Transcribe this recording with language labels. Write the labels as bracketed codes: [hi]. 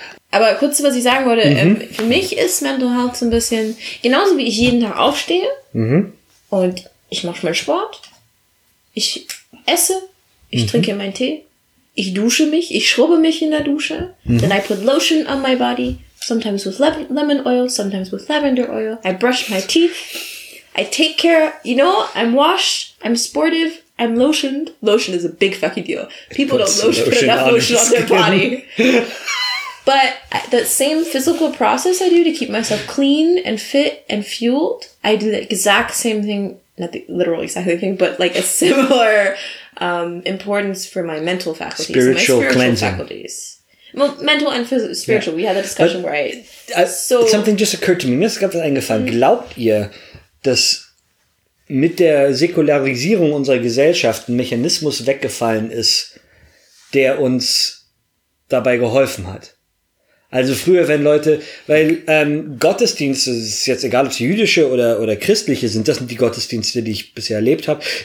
[de] Aber kurz zu, was ich sagen wollte, für mich ist Mental Health so ein bisschen, genauso wie ich jeden Tag aufstehe und ich mache meinen Sport, ich esse, ich trinke meinen Tee, ich dusche mich, ich schrubbe mich in der Dusche, [en] then I put lotion on my body, sometimes with lemon oil, sometimes with lavender oil, I brush my teeth, I take care, you know, I'm washed, I'm sportive, I'm lotioned. Lotion is a big fucking deal. People don't put enough lotion on their body. But that same physical process I do to keep myself clean and fit and fueled, I do the exact same thing, not the literal exact same thing, but like a similar importance for my mental faculties. Spiritual cleansing faculties. Well, mental and spiritual. Yeah. We had that discussion Something just occurred to me. [de] Mir ist gerade was eingefallen. Glaubt ihr, dass mit der Säkularisierung unserer Gesellschaft ein Mechanismus weggefallen ist, der uns dabei geholfen hat? Also früher, wenn Leute, weil Gottesdienste, ist jetzt egal, ob es jüdische oder christliche sind, das sind die Gottesdienste, die ich bisher erlebt habe.